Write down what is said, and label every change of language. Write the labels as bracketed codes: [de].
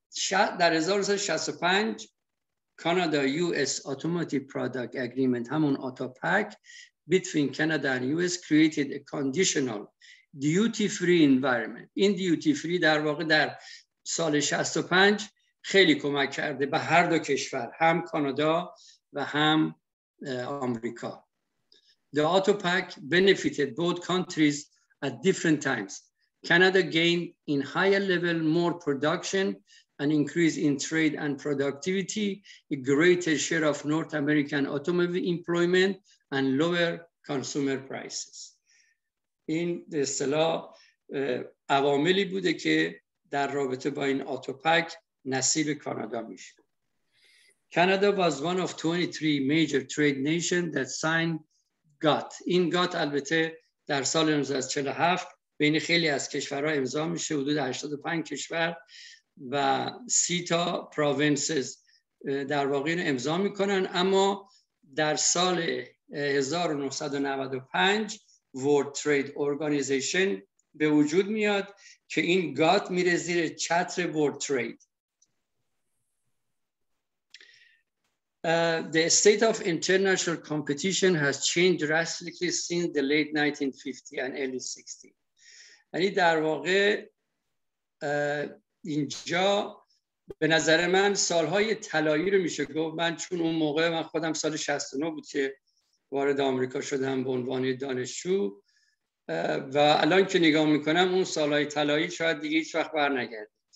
[en] در 1965 Canada US Automotive Product Agreement, همون Auto Pact between Canada and US created a conditional duty free environment. [fa] این duty free در واقع در سال 65 خیلی کمک کرده به هر دو کشور، هم کانادا و هم آمریکا. [en] The Auto Pact benefited both countries at different times. Canada gained in higher level more production, an increase in trade and productivity, a greater share of North American automobile employment, and lower consumer prices. [fa] این به اصطلاح عواملی بوده که در رابطه با این اتوپک نصیب کانادا میشه. [en] Canada was one of 23 major trade nations that signed GATT. [fa] In GATT, البته در سال 1947 بین خیلی از کشورها امضا میشه، حدود 85 کشور و 30 تا provinces در واقع امضا میکنن، اما در سال 1995 World Trade Organization به وجود میاد که این GATT میره زیر چتر World Trade. [en] The state of international competition has changed drastically since the late 1950s and early 60s. [fa] یعنی در واقع اینجا به نظر من سالهای طلایی رو میشه گفت. من چون اون موقع من خودم سال 69 بود که وارد آمریکا شدم به عنوان دانشجو و الان که نگاه میکنم اون سالهای طلایی شاید دیگه هیچ وقت بر نگرده.